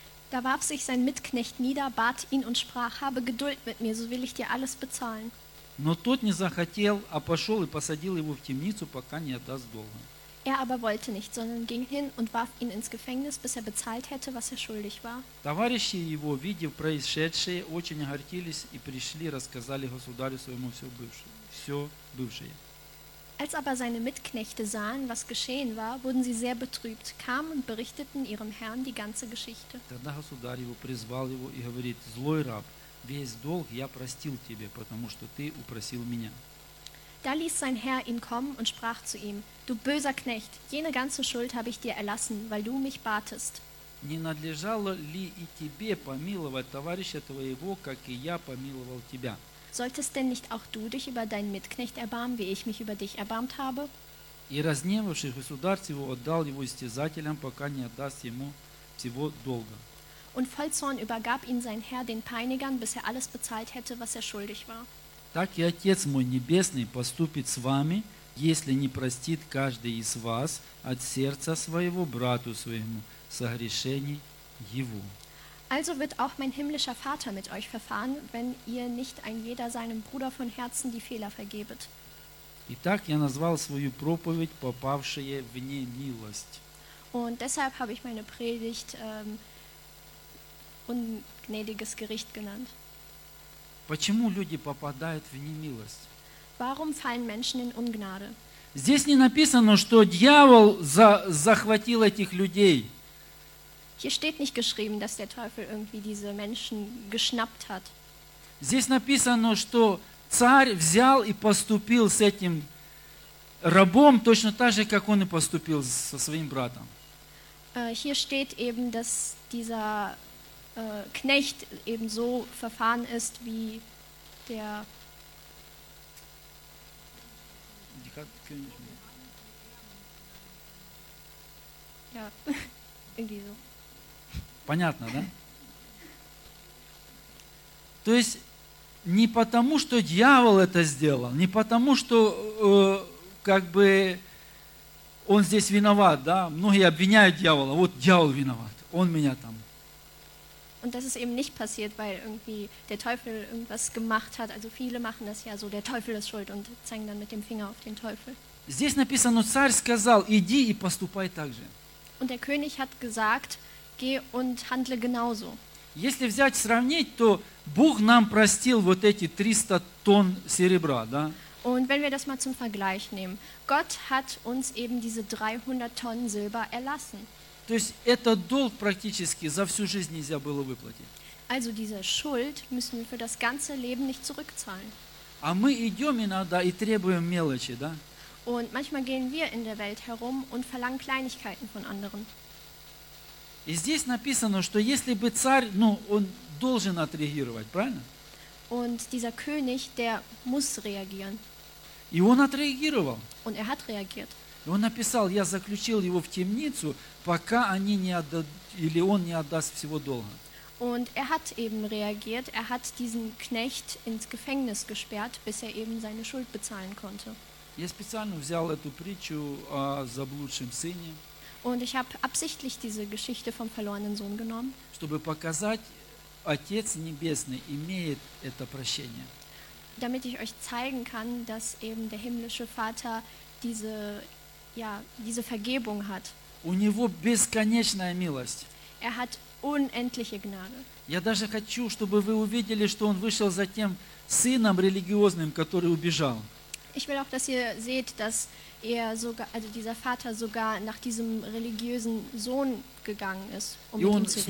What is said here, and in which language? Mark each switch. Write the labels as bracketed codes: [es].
[de] Da warf sich sein Mitknecht nieder, bat ihn und sprach, habe Geduld mit mir, so will ich dir alles bezahlen. [ru] Но тот не захотел, а пошел и посадил его в темницу, пока не отдаст долга. [de] Er aber wollte nicht, sondern ging hin und warf ihn ins Gefängnis, bis er bezahlt hätte, was er schuldig war. [ru] Товарищи его, видя происшедшее, очень огорчились и пришли, рассказали государю своему все бывшее. [de] Als aber seine Mitknechte sahen, was geschehen war, wurden sie sehr betrübt, kamen und berichteten ihrem Herrn die ganze Geschichte. [ru] Тогда государь его призвал его и говорит: «Злой раб, весь долг я простил тебе, потому что ты упросил меня». [de] Da ließ sein Herr ihn kommen und sprach zu ihm: «Du böser Knecht, jene ganze Schuld habe ich dir erlassen, weil du mich batest». [ru] Не надлежало ли и тебе помиловать товарища твоего, как и я помиловал тебя? [de] Solltest denn nicht auch du dich über deinen Mitknecht erbarmen, wie ich mich über dich erbarmt habe? [ru] И разгневавшись, государь его отдал его истязателям, пока не отдаст ему всего долга. [de] Und voll Zorn übergab ihn sein Herr den Peinigern, bis er alles bezahlt hätte, was er schuldig war. [ru] Так и Отец мой Небесный поступит с вами, если не простит каждый из вас от сердца своего брату своему согрешений его. [de] Also wird auch mein himmlischer Vater mit euch verfahren, wenn ihr nicht ein jeder seinem Bruder von Herzen die Fehler vergebet. [ru] Итак, я назвал свою проповедь «Попавшие в немилость». [de] Und deshalb habe ich meine Predigt «Ungnädiges Gericht» genannt. [ru] Почему люди попадают в немилость? [de] Warum fallen Menschen in Ungnade? [ru] Здесь не написано, что дьявол захватил этих людей. [de] Hier steht nicht geschrieben, dass der Teufel irgendwie diese Menschen geschnappt hat. [ru] Здесь написано, что царь взял и поступил с этим рабом точно так же, как он и поступил со своим братом. [de] Hier steht eben, dass dieser Knecht eben so verfahren ist wie der König. Ja, irgendwie so. [ru] Понятно, да? То есть не потому, что дьявол это сделал, не потому, что как бы он здесь виноват, да? Многие обвиняют дьявола. Вот дьявол виноват, он меня там. [de] Und das ist eben nicht passiert, weil irgendwie der Teufel irgendwas gemacht hat. Also viele machen das ja so, der Teufel ist schuld und zeigen dann mit dem Finger auf den Teufel. [ru] Здесь написано, царь сказал: иди и поступай так же. [de] Und der König hat gesagt: Geh und handle genauso. [ru] Если взять сравнить, то Бог нам простил вот эти 300 тонн серебра, да? [de] Und wenn wir das mal zum Vergleich nehmen, Gott hat uns eben diese 300 Tonnen Silber erlassen. [ru] То есть этот долг практически за всю жизнь нельзя было выплатить. [de] Also diese Schuld müssen wir für das ganze Leben nicht zurückzahlen. [ru] А мы идем иногда и требуем мелочи, да? [de] Und manchmal gehen wir in der Welt herum und verlangen Kleinigkeiten von anderen. [ru] И здесь написано, что если бы царь, ну, он должен отреагировать, правильно? [de] Und dieser König, der muss reagieren. [ru] И он отреагировал. [de] Und er hat reagiert. [ru] И он написал: я заключил его в темницу, пока они не отдадут, или он не отдаст всего долга. [de] Und er hat eben reagiert, er hat diesen Knecht ins Gefängnis gesperrt, bis er eben seine Schuld bezahlen konnte. [ru] Я специально взял эту притчу о заблудшем сыне. [de] Und ich habe absichtlich diese Geschichte vom verlorenen Sohn genommen, [ru] чтобы показать, Отец Небесный имеет это прощение. [de] Damit ich euch zeigen kann, dass eben der himmlische Vater diese, ja, diese Vergebung hat. [ru] У него бесконечная милость. [de] Er hat unendliche Gnade. [ru] Я даже хочу, чтобы вы увидели, что он вышел за тем сыном религиозным, который убежал. [de] Ich will auch, dass ihr seht, dass er sogar, also dieser Vater sogar nach diesem religiösen Sohn gegangen ist, um mit ihm zu reden.